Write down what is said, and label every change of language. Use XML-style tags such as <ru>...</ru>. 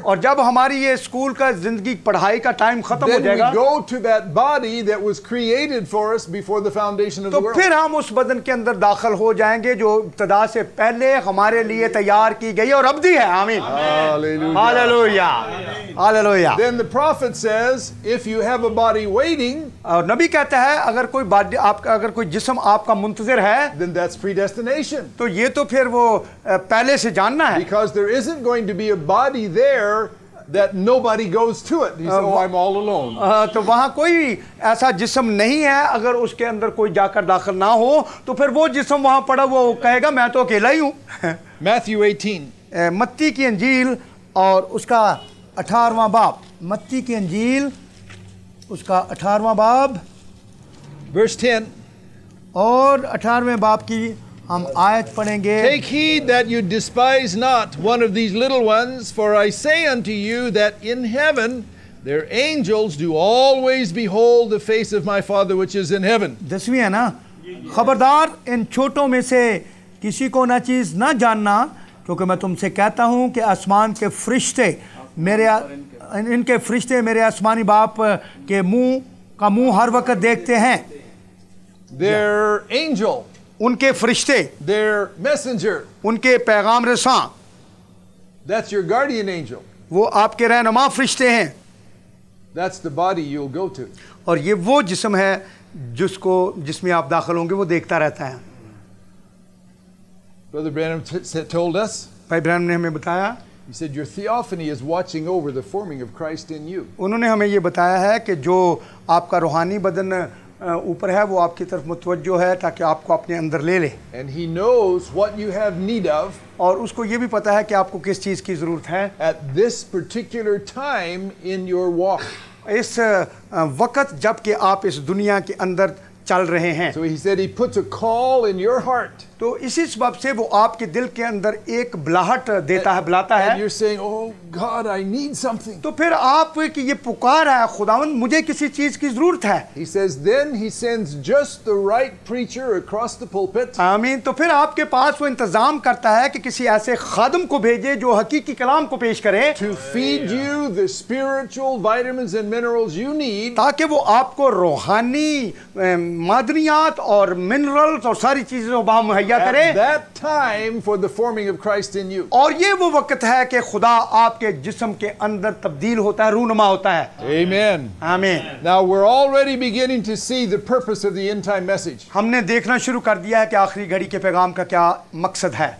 <hi>और जब हमारी ये स्कूल का ज़िंदगी पढ़ाई का टाइम खत्म हो जाएगा.</hi> <en>Then we go to that body that was created. created for us before the foundation of the world.</en> <hi>तो फिर हम उस बदन के अंदर दाखल हो जाएंगे जो इब्तिदा से पहले हमारे लिए तैयार की गई और अब्दी है. आमीन. Hallelujah. Hallelujah.</hi> <en>Then the prophet says, if you have a body waiting,</en> <hi>और नबी कहता है अगर कोई बॉडी आपका अगर कोई जिस्म आपका मुंतजर है,</hi> <en>then that's predestination.</en> <hi>तो ये तो फिर वो पहले से जानना है.</hi> <en>Because there isn't going to be a body there that nobody goes to it. He said, I'm all alone.</en> <hi>तो वहाँ कोई ऐसा जिस्म नहीं है अगर उसके अंदर कोई जाकर दाखिल ना हो तो फिर वो जिस्म वहाँ पड़ा वो कहेगा मैं तो अकेला ही हूँ.</hi> <en>Matthew 18.</en> <hi>मत्ती की अंजील और उसका 18वां बाब. मत्ती की अंजील उसका 18वां बाब.</hi> <en>Verse 10.</en> <hi>और 18वें बाब की हम आयत पढ़ेंगे.</hi> <en>Take heed that you despise not one of these little ones, for I say unto you that in heaven their angels do always behold the face of my Father which is in heaven.</en> <hi>दसवीं है ना. खबरदार इन छोटों में से किसी को ना चीज ना जानना, क्योंकि मैं तुमसे कहता हूँ कि आसमान के फरिश्ते मेरे इनके फरिश्ते मेरे आसमानी बाप के मुंह का मुंह हर वक्त देखते हैं.</hi> <en>Their angel.</en> <hi>उनके फरिश्ते.</hi> <en>Their messenger.</en> <hi>उनके पैगाम रसां.</hi> <en>That's your guardian angel.</en> <hi>वो आपके रहनुमा फरिश्ते हैं.</hi> <en>That's the body you'll go to.</en> <hi>और ये वो जिस्म है जिसको जिसमें आप दाखिल होंगे वो देखता रहता है.</hi> <en>Brother Branham told us.</en> <hi>भाई ब्रैनम ने हमें बताया.</hi> <en>He said your theophany is watching over the forming of Christ in you.</en> <hi>उन्होंने हमें ये बताया है कि जो आपका रूहानी बदन ऊपर है वो आपकी तरफ मुतवज्जो है ताकि आपको अपने अंदर ले ले.</hi> <en>And he knows what you have need of.</en> <hi>और उसको ये भी पता है कि आपको किस चीज की जरूरत है.</hi> <en>At this particular time in your walk.</en> <hi>इस वक्त जब कि आप इस दुनिया के अंदर चल रहे हैं.</hi> <en>So he said he puts a call in your heart.</en> <hi>तो इसी सबब से वो आपके दिल के अंदर एक बुलाहट देता है, बुलाता है.</hi> <en>And you're saying, oh God, I need something.</en> <hi>तो फिर आप कि ये पुकार है, खुदावन मुझे किसी चीज की जरूरत है.</hi> <en>He says, then he sends just the right preacher across the pulpit.</en> <hi>आमीन. तो फिर आपके पास वो इंतजाम करता है कि किसी ऐसे खादम को भेजे जो हकीकी कलाम को पेश करे.</hi> <en>To feed you the spiritual vitamins and minerals you need.</en> <hi>ताकि वो आपको रूहानी मादनियात और मिनरल्स और सारी चीजें वहां</hi> <en>At that time for the forming of Christ in you.</en> <hi>और ये वो वक्त है कि खुदा आपके जिस्म के अंदर तब्दील होता है, रूनुमा होता है.</hi> <en>Amen. Amen. Now we're already beginning to see the purpose of the end time message.</en> <hi>हमने देखना शुरू कर दिया है कि आखिरी घड़ी के पैगाम का क्या मकसद है.</hi>